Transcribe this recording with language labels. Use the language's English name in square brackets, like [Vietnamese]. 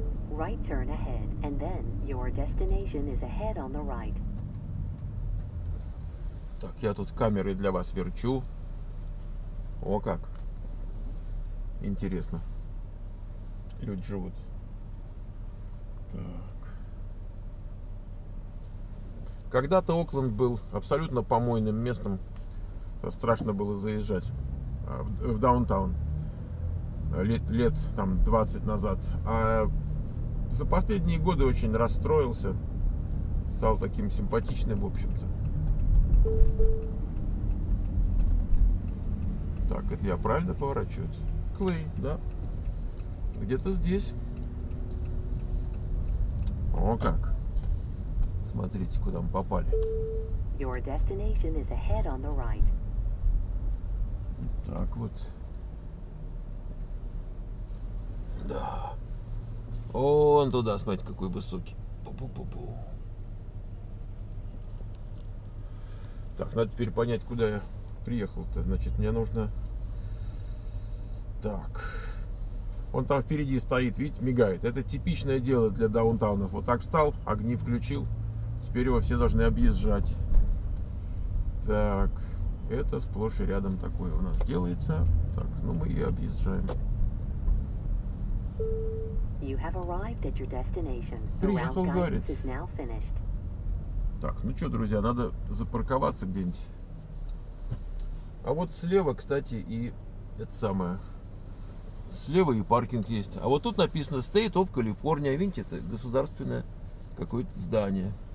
[English] Right turn ahead, and then your destination is ahead on the right. [Russian] Так, я тут камеры для вас верчу. О, как. Интересно. Люди живут. Так. Когда-то Окленд был абсолютно помойным местом. Страшно было заезжать в даунтаун. Лет там 20 назад. А за последние годы очень расстроился, стал таким симпатичным, в общем-то. Так, это я правильно поворачиваюсь? Клей, да? Где-то здесь. О как! Смотрите, куда мы попали. [English] Your destination is ahead on the right. [Russian] Так вот. Да. Вон туда, смотрите, какой высокий. Пу-пу-пу-пу. Так, надо теперь понять, куда я приехал-то. Значит, мне нужно... Так. Он там впереди стоит, видите, мигает. Это типичное дело для даунтаунов. Вот так встал, огни включил. Теперь его все должны объезжать. Так. Это сплошь и рядом такое у нас делается. Так, ну мы и объезжаем. [English] You have arrived at your destination. [Russian] Приехал, говорит. Так, ну что, друзья, надо запарковаться где-нибудь. А вот слева, кстати, и это самое. Слева и паркинг есть. А вот тут написано State of California. Видите, это государственное какое-то здание.